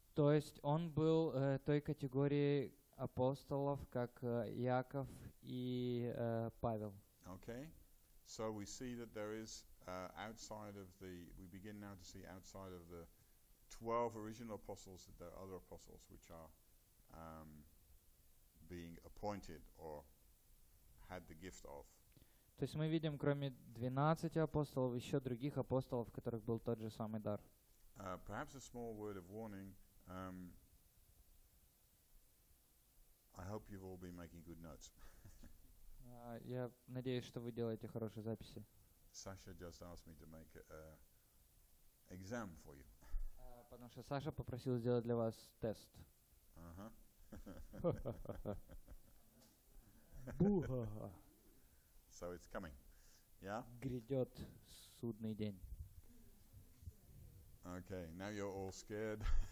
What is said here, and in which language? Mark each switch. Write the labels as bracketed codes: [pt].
[ru] То есть он был той категории апостолов, как Яков и Павел. [en] Okay. So we see that there is outside of the, we begin now to see outside of the 12 original apostles that there are other apostles which are being appointed or had the gift of. [ru] То есть мы видим, кроме 12 апостолов, еще других апостолов, в которых был тот же самый дар. [en] Perhaps a small word of warning. I hope you've all been making good notes. [ru] Я надеюсь, что вы делаете хорошие записи. [en] Sasha just asked me to make an exam for you. [ru] Потому что Саша попросил сделать для вас тест. [en] Буха. So it's coming. Yeah? [ru] Грядет судный день. [en] Okay, now you're all scared.